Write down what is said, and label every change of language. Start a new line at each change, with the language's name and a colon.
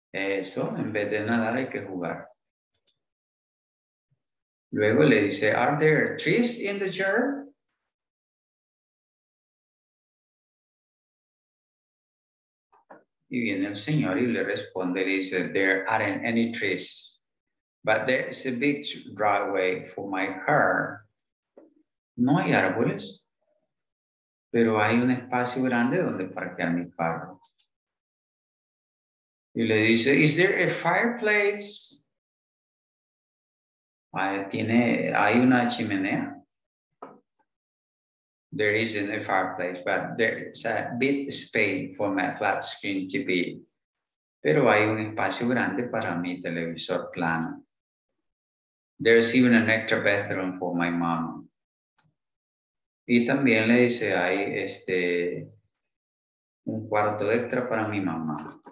Spanish: Eso, en vez de nadar hay que jugar. Luego le dice,
English: are there trees in the yard?
Spanish: Y viene el señor y le responde, le dice,
English: there aren't any trees. But there's a big driveway for my car.
Spanish: No hay árboles, pero hay un espacio grande donde parquear mi carro. Y le dice,
English: is there a fireplace?
Spanish: Hay una chimenea.
English: There isn't a fireplace, but there's a big space for my flat screen TV.
Spanish: Pero hay un espacio grande para mi televisor plano.
English: There's even an extra bathroom for my mom.
Spanish: Y también le dice, hay un cuarto extra para mi mamá.